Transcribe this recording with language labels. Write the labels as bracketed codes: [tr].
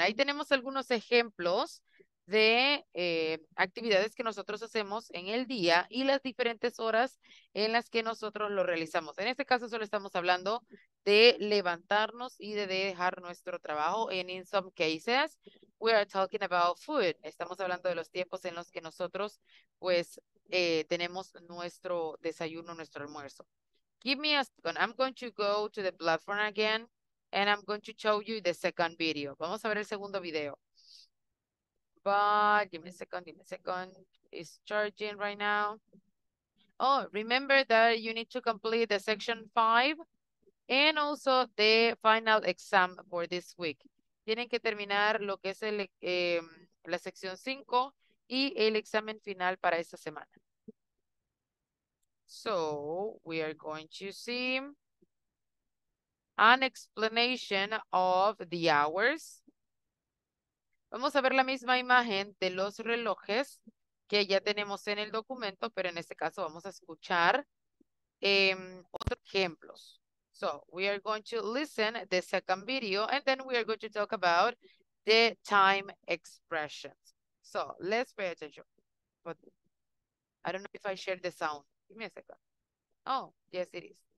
[es] Ahí tenemos algunos ejemplos de actividades que nosotros hacemos en el día y las diferentes horas en las que nosotros lo realizamos. En este caso solo estamos hablando de levantarnos y de dejar nuestro trabajo. [en] And in some cases, we are talking about food. [es] Estamos hablando de los tiempos en los que nosotros pues tenemos nuestro desayuno, nuestro almuerzo. [en] Give me a second. I'm going to go to the platform again and I'm going to show you the second video. [es] Vamos a ver el segundo video. [en] But give me a second. It's charging right now. Oh, remember that you need to complete the section 5 and also the final exam for this week. [es] Tienen que terminar lo que es el la sección 5 y el examen final para esta semana. [en] So we are going to see an explanation of the hours. [es] Vamos a ver la misma imagen de los relojes que ya tenemos en el documento, pero en este caso vamos a escuchar otros ejemplos. [en] So, we are going to listen to the second video and then we are going to talk about the time expressions. So, let's pay attention. But I don't know if I share the sound. Give me a second. Oh, yes, it is.